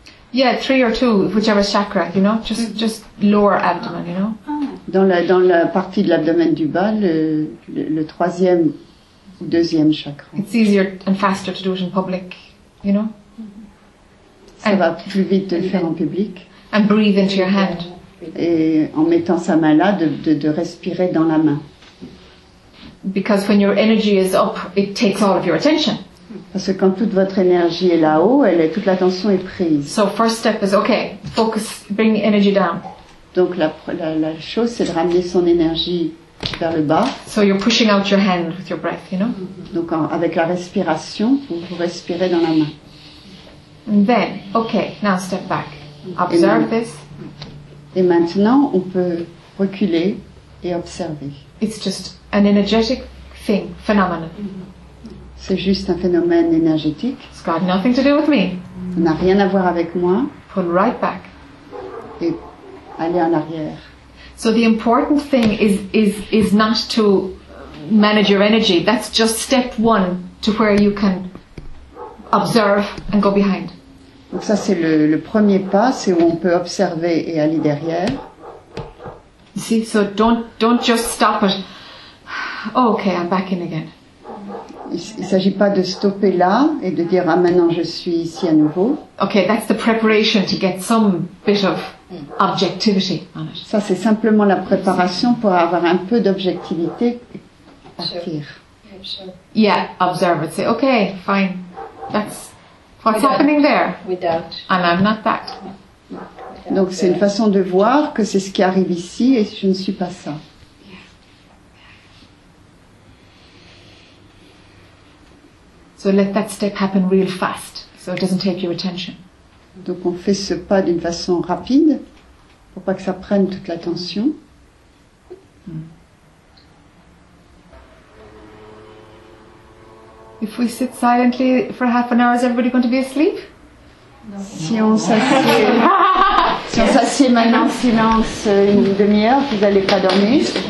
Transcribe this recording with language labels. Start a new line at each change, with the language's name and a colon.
English: Yeah, three or two, whichever chakra, you know, just lower abdomen, you know.
French: Dans la partie de l'abdomen du bas, le troisième ou deuxième chakra.
English: It's easier and faster to do it in public, you know.
French: Ça va plus vite de le faire en public.
English: And breathe into your hand.
French: Et en mettant sa main là, de respirer dans la main.
English: Because when your energy is up, it takes all of your attention.
French: Parce que quand toute votre énergie est là-haut, toute l'attention est prise.
English: So first step is okay, focus, bring energy down.
French: Donc la chose, c'est de ramener son énergie vers le bas.
English: So you're pushing out your hand with your breath, you know.
French: Donc avec la respiration, vous respirez dans la main.
English: And then, okay, now step back. Observe this.
French: Et maintenant, on peut reculer et observer.
English: It's just an energetic thing, phenomenon.
French: C'est juste un phénomène énergétique.
English: It's got nothing to do with me.
French: Ça n'a rien à voir avec moi.
English: Pull right back.
French: Et aller en arrière.
English: So the important thing is not to manage your energy. That's just step one to where you can observe and go behind.
French: Donc ça c'est le premier pas, c'est où on peut observer et aller derrière.
English: You see, so don't just stop it. Oh, okay, I'm back in again.
French: Il ne s'agit pas de stopper là et de dire ah maintenant je suis ici à nouveau.
English: Okay, that's the preparation to get some bit of objectivity on it.
French: Ça c'est simplement la préparation pour avoir un peu d'objectivité et partir.
English: Sure. Yeah, observe it. Say okay, fine. That's what's without, happening there. Without. And I'm not that.
French: Donc c'est une façon de voir que c'est ce qui arrive ici et je ne suis pas ça.
English: So let that step happen real fast, so it doesn't take your attention.
French: Donc on fait ce pas d'une façon rapide, pour pas que ça prenne toute l'attention.
English: If we sit silently for half an hour, is everybody going to be asleep? No.
French: Si on s'assied maintenant en silence une demi-heure, vous n'allez pas dormir.